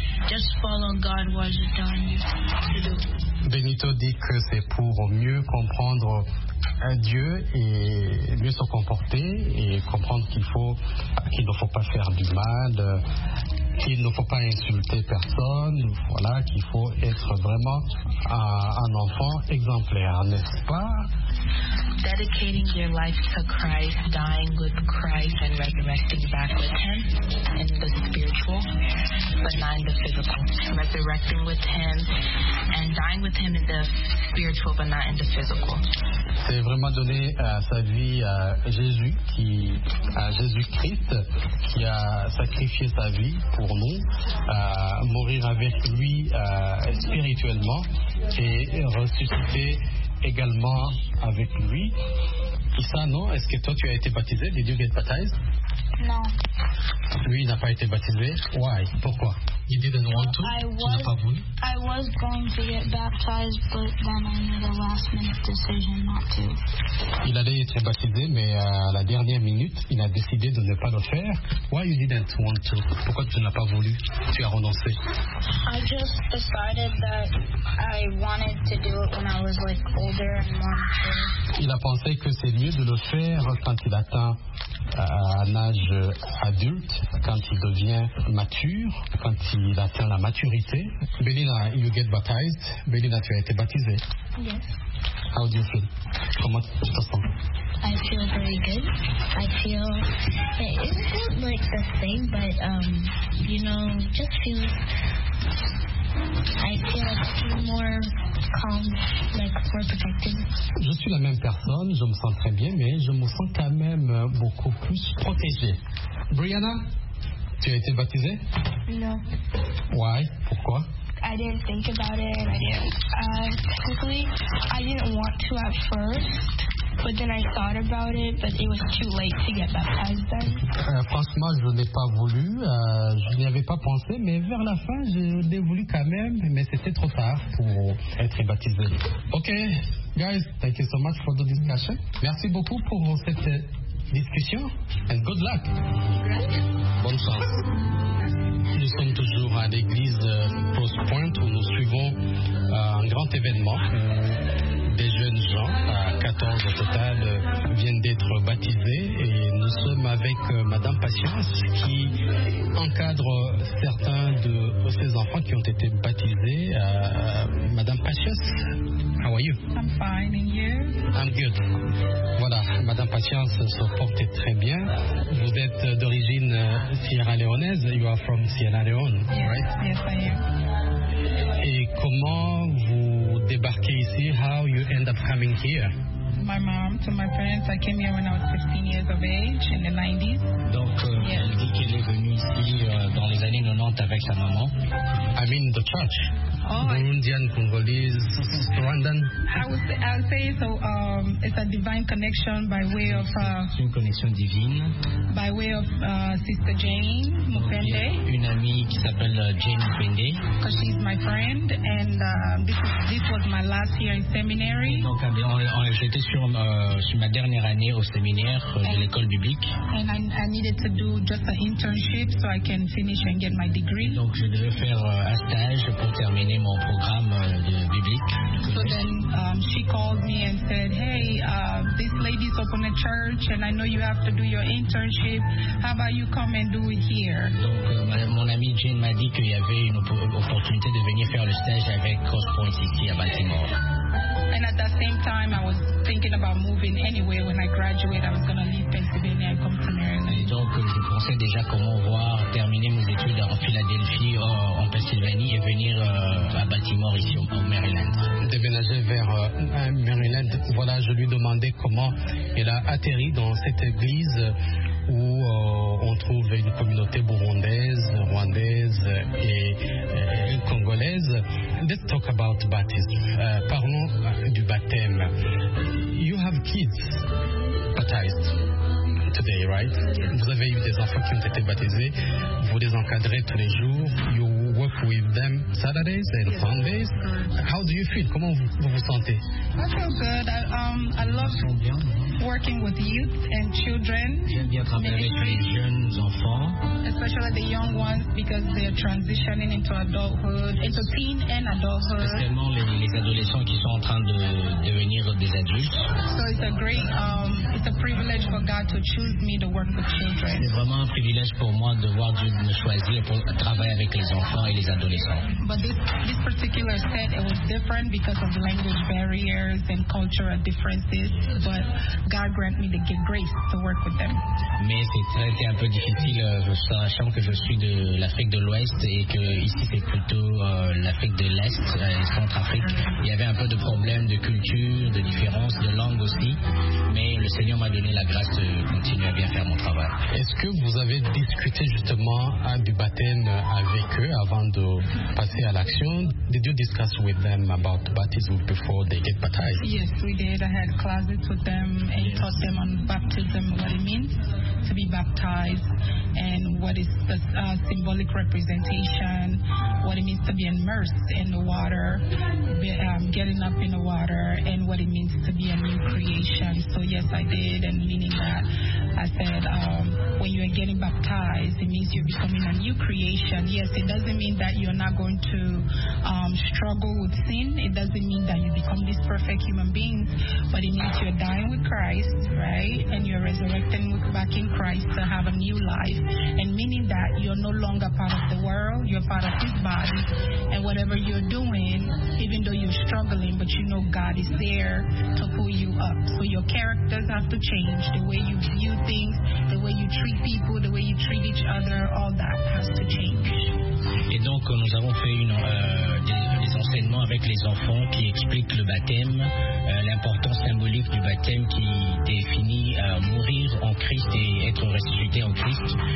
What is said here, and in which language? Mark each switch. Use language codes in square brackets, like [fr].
[en] Just follow God what he's telling you to do. [fr] Benito dit que c'est pour mieux comprendre un Dieu et mieux se comporter et comprendre qu'il ne faut pas faire du mal, qu'il ne faut pas insulter personne, voilà, qu'il faut être vraiment un enfant exemplaire, n'est-ce pas? [en] Dedicating your life to Christ, dying with Christ and resurrecting back with him in the spiritual, but not in the physical. Resurrecting with him and dying with him in the spiritual, but not in the physical. [fr] C'est vraiment donner sa vie à Jésus, à Jésus-Christ, qui a sacrifié sa vie pour nous, mourir avec lui spirituellement et ressusciter également avec lui. Tout ça, non? Est-ce que toi, tu as été baptisé? [en] Did you get baptized? [fr] Non. Lui, il n'a pas été baptisé. [en] Why? [fr] Pourquoi? [en] You didn't want to? [fr] Tu n'as pas voulu? [en] I was going to get baptized, but then I made a last-minute decision not to. [fr] Il allait être baptisé, mais à la dernière minute, il a décidé de ne pas le faire. [en] Why you didn't want to? [fr] Pourquoi tu n'as pas voulu? Tu as renoncé? [en] I just decided that I wanted to do it when I was like older and more mature. [fr] Il a pensé que c'est mieux de le faire quand il atteint un âge adulte, quand il devient mature, quand il atteint la maturité. [en] Belinda, you get baptized. [fr] Belinda, tu as été baptisée. [en] Yes. How do you feel? [fr] Comment tu te sens? [en] I feel very good. I feel it isn't like the same, but you know, just feels. I feel more calm, like more protected. [fr] Je suis la même personne, je me sens très bien, mais je me sens quand même beaucoup plus protégée. Brianna, tu as été baptisée? Non. [en] Why? [fr] Pourquoi? [en] I didn't think about it. Technically, I didn't want to at first. But then I thought about it, but it was too late to get baptized then. [fr] Franchement, je n'ai pas voulu, je n'y avais pas pensé, mais vers la fin, je l'ai voulu quand même, mais c'était trop tard pour être baptisé. [en] Ok, guys, thank you so much for the discussion. [fr] Merci beaucoup pour cette discussion, [en] and good luck. [fr] Bonne chance. Nous sommes toujours à l'église Post Point où nous suivons un grand événement. Des jeunes gens, 14 au total, viennent d'être baptisés et nous sommes avec Madame Patience qui encadre certains de ces enfants qui ont été baptisés. [en] Madame Patience, how are you? I'm fine, and you? I'm good. [fr] Voilà, Madame Patience se porte très bien. Vous êtes d'origine Sierra Leonaise. [en] You are from Sierra Leone, right? Yes, I am. [fr] Et comment vous débarquez ici? [en] How you end up coming here? My mom told my parents I came here when I was 15 years of age in the 90s. [fr] Donc, yes. Elle dit qu'elle est venue ici dans les années 90 avec sa maman. [en] I mean the church. Oh, Burundian, Congolese, Rwandan. I would say it's a divine connection by way of. [fr] C'est une connexion divine. [en] By way of Sister Jane Mupende. [fr] Une amie qui s'appelle Jane Mupende. [en] Because she's my friend and this was my last year in seminary. [fr] Donc, j'étais sur ma dernière année au séminaire de l'école biblique. [en] And I needed to do just an internship so I can finish and get my degree. [fr] Donc, je devais faire un stage pour terminer mon programme de biblique. [en] So then she called me and said, hey, this lady's open a church and I know you have to do your internship. How about you come and do it here? [fr] Donc mon amie Jane m'a dit qu'il y avait une opportunité de venir faire le stage avec Cross Point ici à Baltimore. [en] And at that same time, I was thinking about moving anyway. When I graduate, I was going to leave Pennsylvania and come to Maryland. [fr] Donc je pensais déjà comment voir terminer mes études en Philadelphie, en Pennsylvanie et venir à Baltimore ici au Maryland. Déménager vers Maryland. Voilà, je lui demandais comment elle a atterri dans cette église où communautés burundaises, rwandaises et congolaises. [en] Let's talk about baptism. [fr] Parlons du baptême. [en] You have kids baptized today, right? [fr] Vous avez eu des enfants qui ont été baptisés. Vous les encadrez tous les jours. [en] You work with them Saturdays and Sundays. How do you feel? [fr] Comment vous vous sentez? [en] I feel good. I love working with youth and children. [fr] J'aime bien travailler avec les jeunes enfants. [en] Especially the young ones because they are transitioning into adulthood, into teen and adulthood. [fr] Spécialement les adolescents qui sont en train de devenir des adultes. [en] So it's a great, it's a privilege for God to choose me to work with children. [fr] C'est vraiment un privilège pour moi de voir Dieu me choisir pour travailler avec les enfants et les adolescents. [en] But this particular set, it was different because of language barriers and cultural differences, but God grant me the grace to work with them. [fr] Mais c'était un peu difficile, sachant que je suis de l'Afrique de l'Ouest et que ici c'est plutôt l'Afrique de l'Est, Centrafrique. Il y avait un peu de problèmes de culture, de différence, de langue aussi, mais le Seigneur m'a donné la grâce de continuer à bien faire mon travail. Est-ce que vous avez discuté justement du baptême avec eux avant de passer à l'action? [en] Did you discuss with them about baptism before they get baptized? Yes, we did. I had classes with them and taught them on baptism, what it means to be baptized, and what is the symbolic representation, what it means to be immersed in the water, getting up in the water, and what it means to be a new creation. So yes, I did, and meaning that I said, when you are getting baptized, it means you're becoming a new creation. Yes, it doesn't mean that you're not going to struggle with sin. It doesn't mean that you become this perfect human being, but it means you're dying with Christ, right? And you're resurrecting with, back in Christ to have a new life, and meaning that you're no longer part of the world, you're part of His body, and whatever you're doing, even though you're struggling, but you know God is there to pull you up. So your characters have to change, the way you view things, the way you treat people, the way you treat each other, all that has to change. [fr] Et donc nous avons fait des enseignements avec les enfants qui expliquent le baptême, l'importance symbolique du baptême qui définit mourir en Christ et être ressuscité en Christ.